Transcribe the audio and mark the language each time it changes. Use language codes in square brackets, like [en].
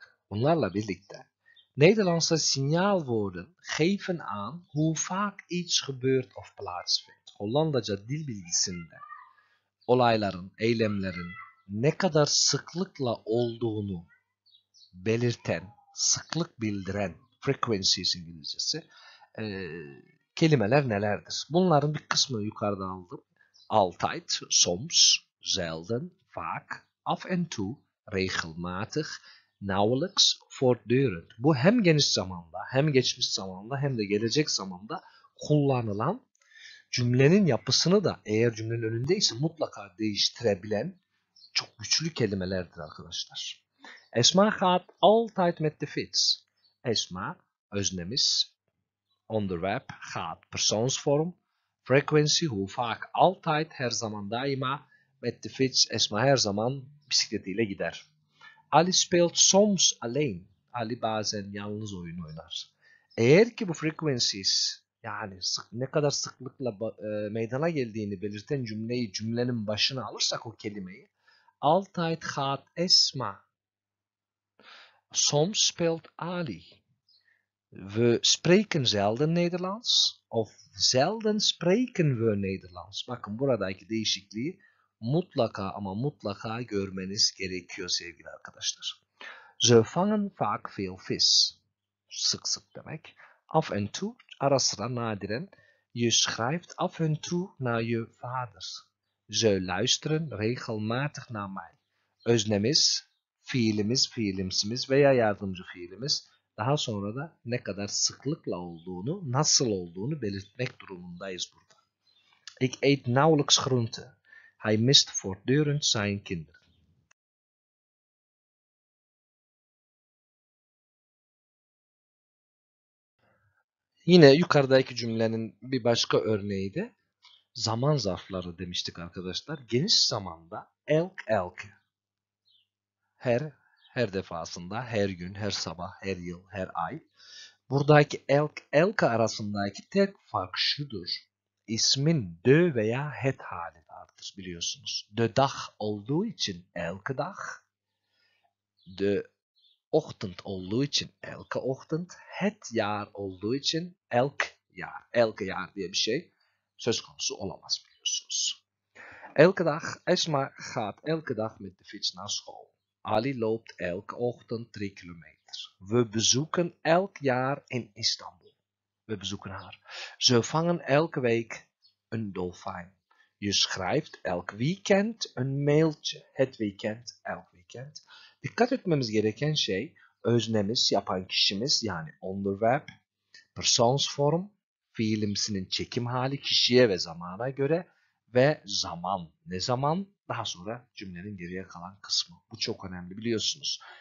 [tr] Bunlarla birlikte [nl] Nederlandse signaalwoorden geven aan hoe vaak iets gebeurt of plaatsvindt. [tr] Hollandaca dil bilgisinde olayların, eylemlerin ne kadar sıklıkla olduğunu belirten, sıklık bildiren frequencies İngilizcesi kelimeler nelerdir? Bunların bir kısmını yukarıda aldım. [nl] Altijd, soms, zelden, vaak, af en toe, regelmatig, nauwelijks, voortdurend. [tr] Bu hem geniş zamanda, hem geçmiş zamanda, hem de gelecek zamanda kullanılan cümlenin yapısını da eğer cümlenin önündeyse mutlaka değiştirebilen çok güçlü kelimelerdir arkadaşlar. [nl] Esma gaat altijd met de fiets. Esma, [tr] öznemiz. [nl] Onderwerp gaat persoonsvorm. Frequency, hoe vaak, altijd, [tr] her zaman, daima. [nl] Met de fiets, [tr] Esma her zaman bisikletiyle gider. [nl] Ali speelt soms alleen. [tr] Ali bazen yalnız oyun oynar. Eğer ki bu frequencies yani ne kadar sıklıkla meydana geldiğini belirten cümleyi cümlenin başına alırsak o kelimeyi. [nl] Altijd gaat Esma. Soms speelt Ali. We spreken zelden Nederlands of zelden spreken we Nederlands. [tr] Bakın buradaki değişikliği mutlaka ama mutlaka görmeniz gerekiyor sevgili arkadaşlar. [nl] Ze vangen vaak veel vis. [tr] Sık sık demek. [nl] Af en tu, [tr] ara sıra nadiren. [nl] Je schrijft af en tu naar je vader. Ze luisteren regelmatig naar mij. [tr] Öznemiz, fiilimiz, fiilimsimiz veya yardımcı fiilimiz. Daha sonra da ne kadar sıklıkla olduğunu, nasıl olduğunu belirtmek durumundayız burada. [nl] Ik eet nauwelijks groente. Hij mist voortdurend zijn kinderen. [tr] Yine yukarıdaki cümlenin bir başka örneği de zaman zarfları demiştik arkadaşlar. Geniş zamanda elk elk. Her defasında, her gün, her sabah, her yıl, her ay. Buradaki elk elk arasındaki tek fark şudur. İsmin de veya het hali vardır biliyorsunuz. De dag olduğu için elke dag. De ochtend olduğu için elke ochtend. Het jaar olduğu için elk jaar. Elke jaar diye bir şey söz konusu olamaz biliyorsunuz. [nl] Elke dag. Esma gaat elke dag met de fiets naar school. Ali loopt elke ochtend 3 kilometer. We bezoeken elk jaar in Istanbul. We bezoeken haar. Ze vangen elke week een dolfijn. Je schrijft elk weekend een mailtje. Het weekend, elk weekend. [tr] Dikkat etmemiz gereken şey, öznemiz, yapan kişimiz, yani onderwerp, persoonsvorm, fiilimsinin çekim hali kişiye ve zamana göre ve zaman. Ne zaman? Daha sonra cümlenin geriye kalan kısmı. Bu çok önemli biliyorsunuz.